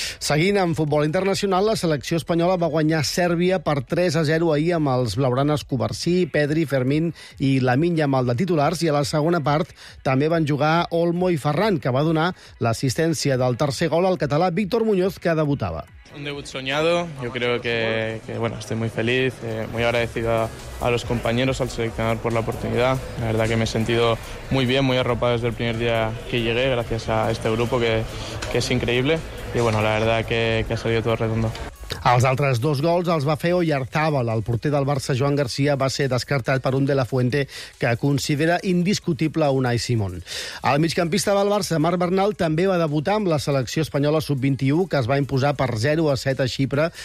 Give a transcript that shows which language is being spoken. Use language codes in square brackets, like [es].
[ca] Seguint amb futbol internacional, la selecció espanyola va guanyar Sèrbia per 3-0 ahir amb els blaugranes Cubarsí, Pedri, Fermín i Lamine Yamal de titulars, i a la segona part també van jugar Olmo i Ferran, que va donar l'assistència del tercer gol al català Víctor Muñoz, que debutava. [es] Un debut soñado, yo creo que bueno, estoy muy feliz, muy agradecido a los compañeros, al seleccionador por la oportunidad. La verdad que me he sentido muy bien, muy arropado desde el primer día que llegué, gracias a este grupo que es increíble, y bueno, la verdad que ha salido todo redondo. [ca] Els altres dos gols els va fer Oyarzábal. El porter del Barça, Joan Garcia, va ser descartat per un De La Fuente que considera indiscutible Unai Simón. El migcampista del Barça, Marc Bernal, també va debutar amb la selecció espanyola sub-21, que es va imposar per 0-7 a Xipre.